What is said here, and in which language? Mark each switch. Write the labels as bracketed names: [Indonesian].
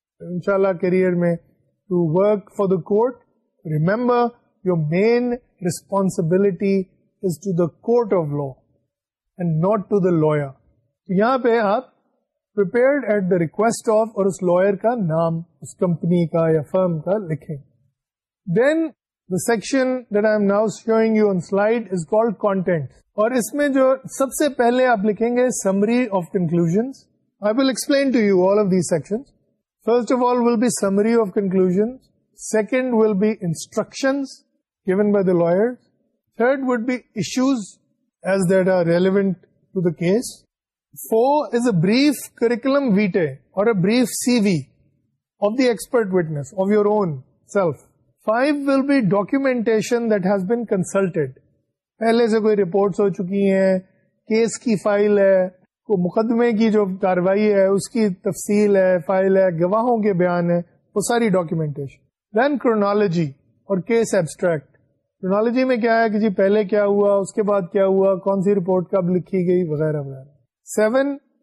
[English] انشاءاللہ کیریئر میں to work for the court remember your main responsibility is to the court of law and not to the lawyer [Urdu] تو یہاں پہ آپ [English] prepared at the request of [Urdu] اور اس lawyer کا نام اس کمپنی کا یا فرم کا لکھیں [English] then the section that I am now showing you on slide is called content [Urdu] اور اس میں جو سب سے پہلے آپ لکھیں گے [English] Summary of conclusions I will explain to you all of these sections. First of all will be summary of conclusions. Second will be instructions given by the lawyers. Third would be issues as that are relevant to the case. Four is a brief curriculum vitae or a brief CV of the expert witness, of your own self. Five will be documentation that has been consulted. [Urdu] پہلے سے کوئی reports ہو چکی ہیں, case کی file ہے, مقدمے کی جو کاروائی ہے اس کی تفصیل ہے فائل ہے گواہوں کے بیان ہے وہ ساری ڈاکیومینٹیشن دین کرونالوجی اور کیس ایبسٹریکٹ کرونالوجی میں کیا ہے کہ جی پہلے کیا ہوا اس کے بعد کیا ہوا کون سی رپورٹ کب لکھی گئی وغیرہ وغیرہ سیون